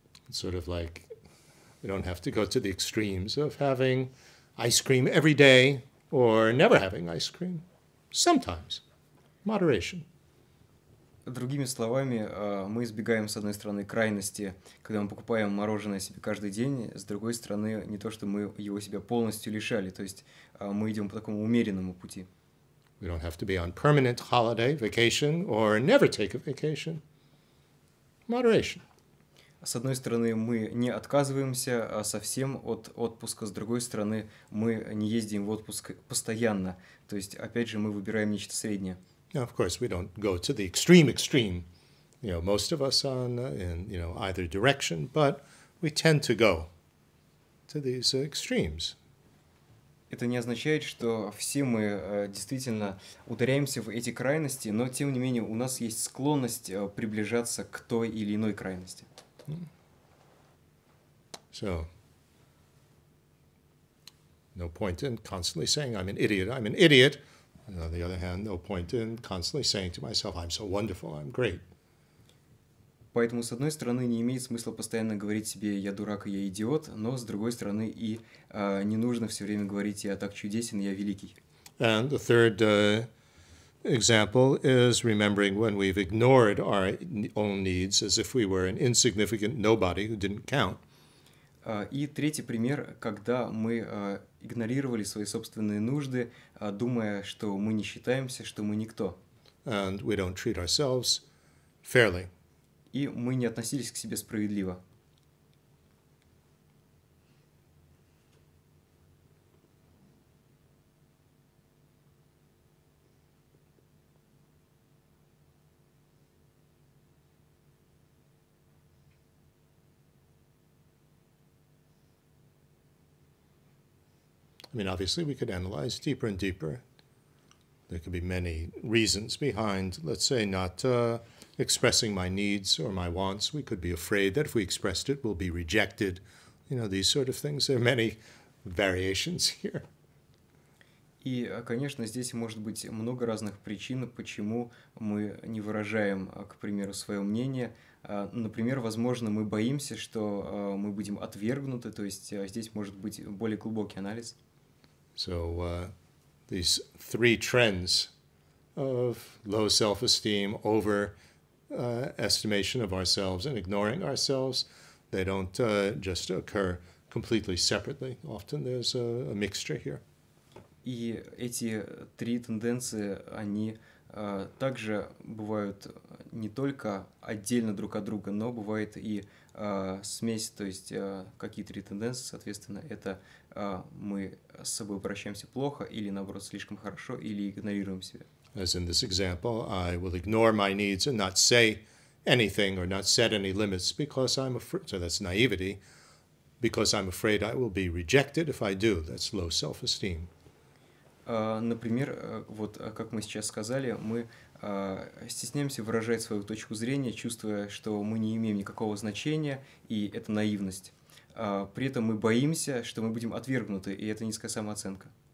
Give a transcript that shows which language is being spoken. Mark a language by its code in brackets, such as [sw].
[en] Sort of like we don't have to go to the extremes of having ice cream every day or never having ice cream. Sometimes. Moderation. [ru] Другими словами, мы избегаем, с одной стороны, крайности, когда мы покупаем мороженое себе каждый день, с другой стороны, не то, что мы его себя полностью лишали, то есть мы идем по такому умеренному пути. [en] We don't have to be on permanent holiday, vacation, or never take a vacation. Moderation. [ru] С одной стороны, мы не отказываемся совсем от отпуска, с другой стороны, мы не ездим в отпуск постоянно. То есть, опять же, мы выбираем нечто среднее. [en] Now, of course, we don't go to the extreme, you know, most of us on in, you know, either direction, but we tend to go to these extremes. [ru] Это не означает, что все мы действительно ударяемся в эти крайности, но, тем не менее, у нас есть склонность приближаться к той или иной крайности. [en] So, no point in constantly saying, I'm an idiot. And on the other hand, no point in constantly saying to myself, I'm so wonderful, I'm great. [ru] Поэтому, с одной стороны, не имеет смысла постоянно говорить себе, я дурак, я идиот, но, с другой стороны, и не нужно все время говорить, я так чудесен, я великий. [en] And the third example is remembering when we've ignored our own needs as if we were an insignificant nobody who didn't count. [ru] И третий пример, когда мы игнорировали свои собственные нужды, думая, что мы не считаемся, что мы никто. [en] And we don't treat ourselves fairly. [ru] И мы не относились к себе справедливо. [en] I mean, obviously, we could analyze deeper and deeper. There could be many reasons behind, let's say, not expressing my needs or my wants. We could be afraid that if we expressed it, we'll be rejected. You know, these sort of things. There are many variations here. [ru] И, конечно, здесь может быть много разных причин, почему мы не выражаем, к примеру, свое мнение. Например, возможно, мы боимся, что мы будем отвергнуты. То есть здесь может быть более глубокий анализ. [en] So these three trends of low self-esteem, over estimation of ourselves and ignoring ourselves, they don't just occur completely separately. Often there's a mixture here. [ru] И эти три тенденции, они также бывают не только отдельно друг от друга, но бывает и смесь, то есть какие три тенденции, соответственно, это мы с собой обращаемся плохо или, наоборот, слишком хорошо, или игнорируем себя. [en] As in this example, I will ignore my needs and not say anything or not set any limits because I'm afraid, so that's naivety, because I'm afraid I will be rejected if I do. That's low self-esteem. [ru] Например, вот как мы сейчас сказали, мы стесняемся выражать свою точку зрения, чувствуя, что мы не имеем никакого значения, и это наивность. При этом мы боимся, что мы будем отвергнуты, и это низкая самооценка.